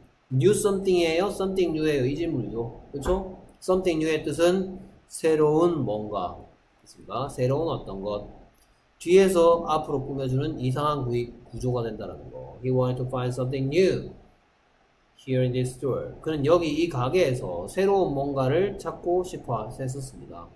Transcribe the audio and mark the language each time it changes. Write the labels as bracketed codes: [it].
[ko] 뉴 썸띵이에요? 썸띵 뉴에요? 이 질문이죠. 그쵸? 썸띵 뉴의 뜻은 새로운 뭔가. 그렇습니까? 새로운 어떤 것. 뒤에서 앞으로 꾸며주는 이상한 구조가 된다는 거. [en] He wanted to find something new here in this store. [ko] 그는 여기 이 가게에서 새로운 뭔가를 찾고 싶어 했었습니다.